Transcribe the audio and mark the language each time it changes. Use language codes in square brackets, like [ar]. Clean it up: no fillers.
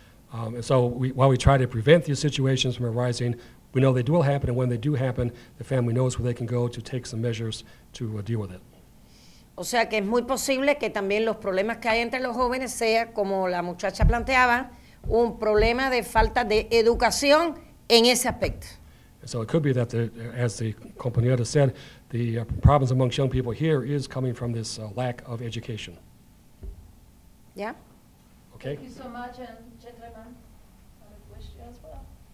[en] While we try to prevent these situations from arising, we know they will happen, and when they do happen, the family knows where they can go to take some measures to deal with it. [es] O sea que es muy posible que también los problemas que hay entre los jóvenes sea, como la muchacha planteaba, un problema de falta de educación en ese aspecto. [en] And so it could be that, as the compañera said, the problems amongst young people here is coming from this lack of education. Yeah. Okay. Thank you so much, and gentlemen, have a question as well.